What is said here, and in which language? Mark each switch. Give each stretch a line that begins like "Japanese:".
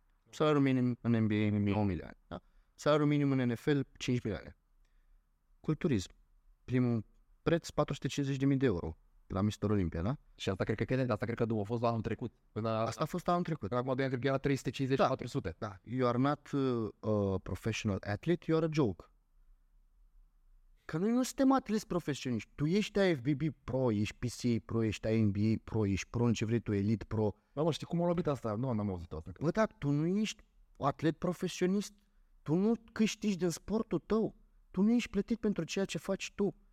Romanian: Salariul minim în NBA, 9 milioane. Da? Salariul minim în NFL, 5 milioane. Culturism. Primul preț, 450.000 de euro. La Mr. Olympia, da? Și asta cred că Kennedy, asta cred că a fost la anul trecut. Asta a fost la anul trecut. Acum doi ani trebuie la 350-400. Da, da.
English: You are not a professional athlete, you are a joke.
Romanian: Că noi nu suntem atleti profesioniști. Tu ești AFBB pro, ești PCA pro, ești NBA pro, ești pro în ce vrei tu, elite pro. Bă, știi cum a lovit asta? Nu, n-am auzit asta. Bă, da, tu nu ești atlet profesionist. Tu nu câștigi din sportul tău. Tu nu ești plătit pentru ceea ce faci tu.